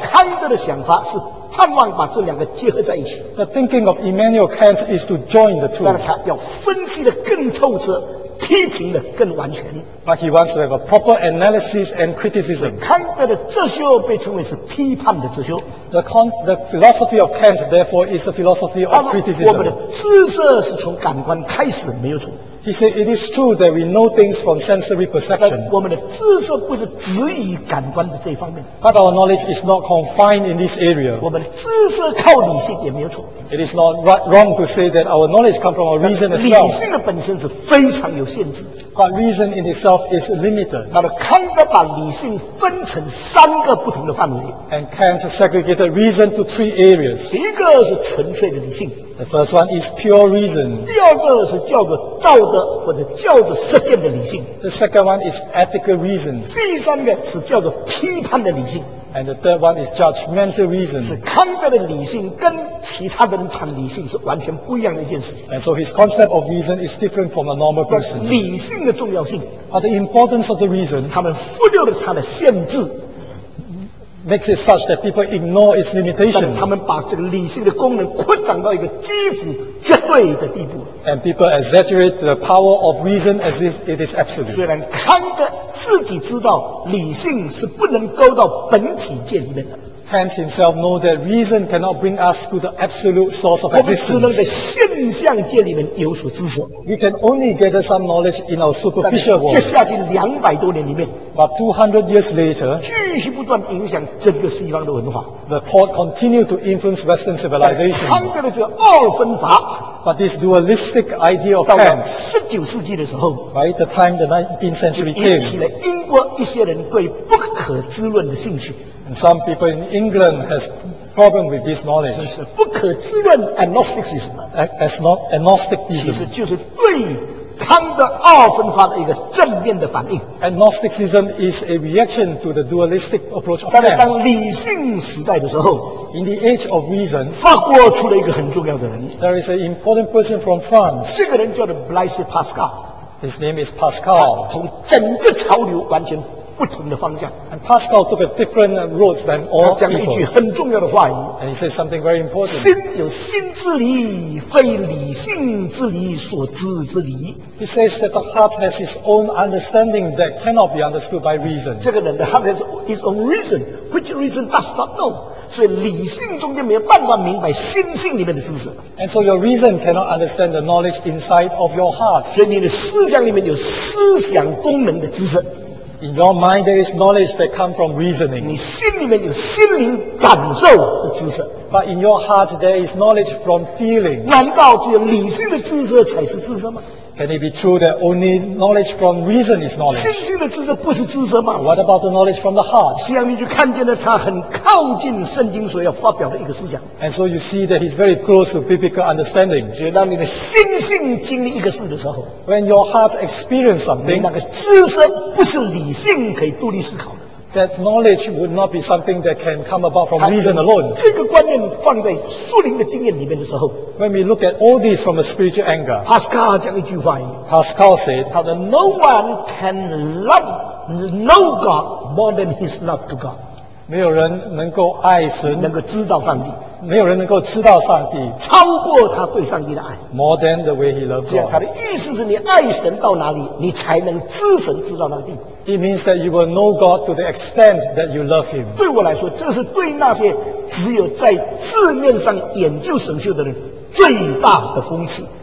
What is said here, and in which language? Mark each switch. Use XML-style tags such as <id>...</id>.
<zh>康德的想法是盼望把这两个结合在一起。</zh> <en>The thinking of Immanuel Kant is to join the two.</en> <zh>但是他要分析的更透彻，批评的更完全。</zh> <en>But he wants to have a proper analysis and criticism.</en> <zh>康德的哲学被称为是批判的哲学。</zh> <en>The philosophy of Kant, therefore, is the philosophy of criticism.</en> <zh>我们的知识是从感官开始，没有错。</zh> <en>He said, "It is true that we know things from sensory perception."</en> <zh>我们的知识不是只以感官的这一方面。</zh> <en>But our knowledge is not confined in this area.</en> <zh>我们的知识靠理性也没有错。</zh> <en>It is not wrong to say that our knowledge comes from our reason as well.</en> <zh>理性的本身是非常有限制。</zh> <en>But reason in itself is limited.</en> <zh>那么康德把理性分成三个不同的范围。</zh> <en>And Kant segregated reason to three areas.</en> <zh>第一个是纯粹的理性。</zh> <en>The first one is pure reason.</en> <zh>第二个是叫做道德或者叫做实践的理性。</zh> <en>The second one is ethical reason.</en> <zh>第三个是叫做批判的理性。</zh> <en>And the third one is judgmental reason.</en> <zh>是康德的理性跟其他的人谈理性是完全不一样的一件事。</zh> <en>And so his concept of reason is different from a normal person.</en> <zh>理性的重要性。</zh> <en>But the importance of the reason.</en> <zh>他们忽略了它的限制。</zh> <en>Makes it such that people ignore its limitations.</en> <zh>他们把这个理性的功能扩展到一个几乎绝对的地步。</zh> <en>And people exaggerate the power of reason as if it is absolute.</en> <zh>虽然康德自己知道理性是不能够到本体界里面的。</zh> <en>Kant himself know that reason cannot bring us to the absolute source of existence.</en> <zh>我们只能在现象界里面有所知识。</zh> <en>We can only gather some knowledge in our superficial world.</en> <zh>接下去两百多年里面，</zh> <en>but 200 years later,</en> <zh>继续不断影响整个西方的文化。</zh> <en>The thought continued to influence Western civilization.</en> <zh>康德的这个二分法，</zh> <en>but this dualistic idea of Kant,</en> <zh>19世纪的时候，</zh> <en>right, the time the 19th century came,</en> <zh>引起了英国一些人对不可知论的兴趣。</zh> <en>Some people in England has problem with this knowledge.</en> <zh>不可知论 agnosticism.</zh> <en>As not agnosticism.</en> <zh>其实就是对康德二分法的一个正面的反应。</zh> <en>Agnosticism is a reaction to the dualistic approach of Kant.</en> <zh>但是当理性时代的时候，</zh> <en>in the age of reason,</en> <zh>法国出了一个很重要的人。</zh> <en>There is an important person from France.</en> <zh>这个人叫做 Blaise Pascal.</zh> <en>His name is Pascal.</en> <zh>从整个潮流完全不同的方向。</zh> <en>And Pascal took a different road than all people.</en> <zh>他讲了一句很重要的话语。</zh> <en>And he said something very important.</en> <zh>心有心之理，非理性之理所知之理。</zh> <en>He says that the heart has its own understanding that cannot be understood by reason.</en> <zh>这个人的</zh> <en>heart has its own reason, which reason does not know.</en> <zh>所以理性中间没有办法明白心性里面的知识。</zh> <en>And so your reason cannot understand the knowledge inside of your heart.</en> <zh>所以你的思想里面有思想功能的知识。</zh> <en>In your mind, there is knowledge that comes from reasoning.</en> <zh>你心里面有心灵感受的知识。</zh> <en>But in your heart, there is knowledge from feeling.</en> <zh>难道只有理性的知识才是知识吗？</zh> <en>Can it be true that only knowledge from reason is knowledge?</en> <zh>心性的知识不是知识吗？</zh> <en>What about the knowledge from the heart?</en> <zh>这样你就看见了他很靠近圣经所要发表的一个思想。</zh> <en>And so you see that he's very close to biblical understanding.</en> <zh>就当你的心性经历一个事的时候，</zh> <en>when your heart experiences something,</en> <zh>那个知识不是理性可以独立思考的。</zh> <en>That knowledge would not be something that can come about from reason alone.</en> <zh>这个观念放在苏灵的经验里面的时候，</zh> <en>when we look at all this from a spiritual angle,</en> <zh>Pascal 讲一句话，</zh> <en>Pascal said,</en> <zh>他说</zh> <en>No one can know God more than his love to God.</en> <zh>没有人能够爱神，能够知道上帝。没有人能够知道上帝，超过他对上帝的爱。</zh> <en>More than the way he loves God。</en> <zh>他的意思是你爱神到哪里，你才能知神知道那个地步。</zh> <en>It means that you will know God to the extent that you love him。</en> <zh>对我来说，这是对那些只有在字面上研究神学的人最大的讽刺。</zh>